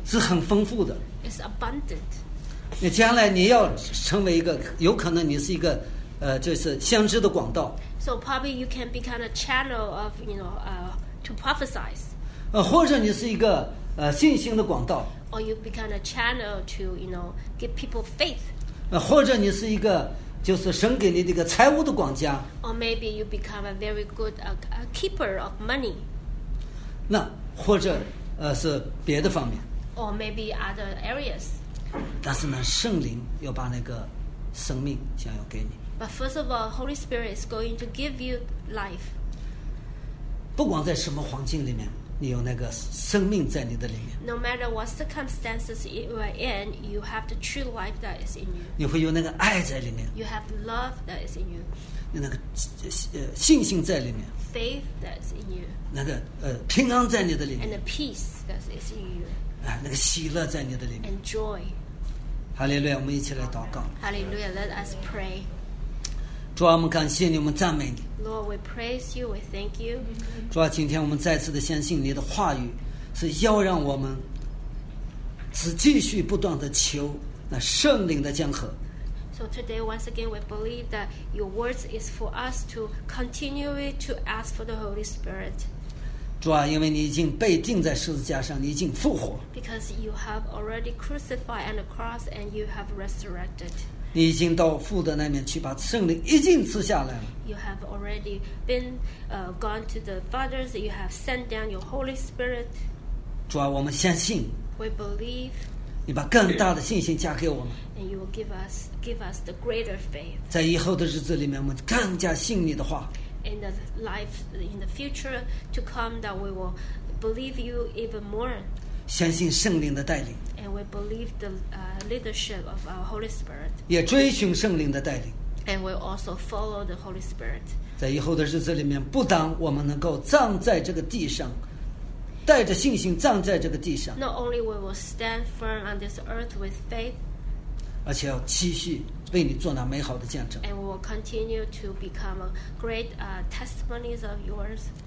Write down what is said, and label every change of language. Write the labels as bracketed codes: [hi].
[zh] 是很丰富的。 [en] It's abundant. [zh] 你将来你要成为一个，有可能你是一个就是先知的广道。 [en] So probably you can become a channel of, you know, to prophesy. [zh] 或者你是一个信心的广道。 [en] Or you become a channel to, you know, give people faith. [zh] 或者你是一个就是神给你这个财务的管家。 [en] Or maybe you become a very good a keeper of money. [zh] 那或者是别的方面。 [en] Or maybe other areas. [zh] 但是呢，圣灵要把那个生命想要给你。 [en] But first of all, Holy Spirit is going to give you life. [zh] 不管在什么环境里面，你有那个生命在你的里面。 [en] No matter what circumstances you are in, you have the true life that is in you. [zh] 你会有那个爱在里面。 [en] You have love that is in you. [zh] 你那个信心在里面。 [en] Faith that is in you. [zh] 那个平安在你的里面。 [en] And the peace that is in you. [zh] 那个喜乐在你的里面。 [en] And joy. [zh] 哈利路亚，我们一起来祷告。 [en] Hallelujah, let us pray. [zh] 主啊，我们感谢你，我们赞美你。 [en] Lord, we praise you, we thank you. [zh] 主啊，今天我们再次的相信你的话语，是要让我们只继续不断的求那圣灵的江河。 [en] So today, once again, we believe that your words is for us to continue to ask for the Holy Spirit. [zh] 主啊，因为你已经被钉在十字架上，你已经复活。 [en] Because you have already crucified on the cross and you have resurrected. [zh] 你已经到父的那边去，把圣灵已经赐下来了。 [en] You have already been gone to the Father's. You have sent down your Holy Spirit. [zh] 主啊，我们相信。 [en] We believe. [zh] 你把更大的信心加给我们。 [en] And you will give us the greater faith. [zh] 在以后的日子里面，我们更加信你的话。 [en] In the life in the future to come, that we will believe you even more. [zh] 相信圣灵的带领。 [en] And we believe the leadership of our Holy Spirit. [zh] 也追寻圣灵的带领。 [en] And we also follow the Holy Spirit. [zh] 在以后的日子里面，不但我们能够站在这个地上，带着信心站在这个地上。 [en] Not only we will stand firm on this earth with faith. [zh] 而且要继续为你做那美好的见证。 [en] And we will continue to become a great testimonies of yours.